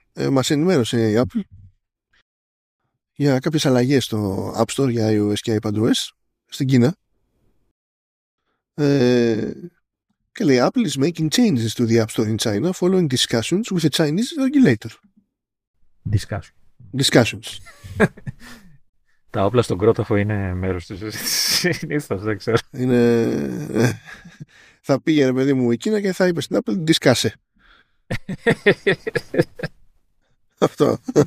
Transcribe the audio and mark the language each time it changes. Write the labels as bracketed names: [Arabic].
[Greek] Μας ενημέρωσε η Apple για κάποιες αλλαγές στο App Store για iOS και iPadOS στην Κίνα. Και λέει, [English] Apple is making changes to the App Store in China following discussions with a Chinese regulator. Discussions. [Greek] Τα όπλα στον κρόταφο είναι μέρος της συνήθως, δεν ξέρω. Είναι... θα πήγαινε, παιδί μου, η Κίνα και θα είπε στην Apple, discuss. Αυτό.